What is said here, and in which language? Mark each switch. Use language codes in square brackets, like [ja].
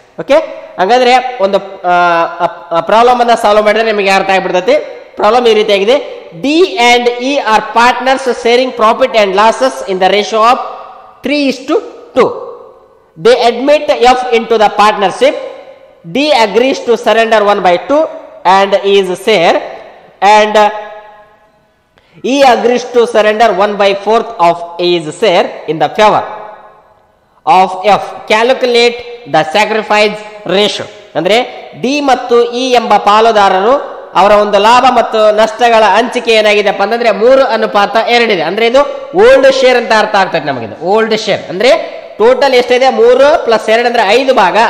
[kn] Okay, ಹಂಗಾದರೆ ಒಂದು ಪ್ರಾಬ್ಲಮನ್ನು solve ಮಾಡಿದ್ರೆ ನಿಮಗೆ ಅರ್ಥ ಆಗಿಬಿಡ್ತೈತಿ. ಪ್ರಾಬ್ಲಮ್ ಈ ರೀತಿಯಾಗಿದೆ. [en] D and E R partners sharing profit and losses in the ratio of 3:2. They admit F into the partnership. D agrees to surrender 1/2 and his share and E agrees to surrender 1/4 of his share in the favor of F. Calculate the sacrifice ratio. [kn] ಅಂದರೆ D ಮತ್ತು E ಎಂಬ ಪಾಲುದಾರರು ಅವರ ಒಂದು ಲಾಭ ಮತ್ತು ನಷ್ಟಗಳ ಹಂಚಿಕೆ ಏನಾಗಿದೆಪ್ಪ ಅಂದರೆ 3:2. ಅಂದರೆ ಇದು ಓಲ್ಡ್ ಶೇರ್ ಅಂತ ಅರ್ಥ ಆಗ್ತದೆ ನಮಗೆ. ಇದು ಓಲ್ಡ್ ಶೇರ್ ಅಂದರೆ ಟೋಟಲ್ ಎಷ್ಟಿದೆ, 3+2 ಅಂದರೆ 5 ಭಾಗ.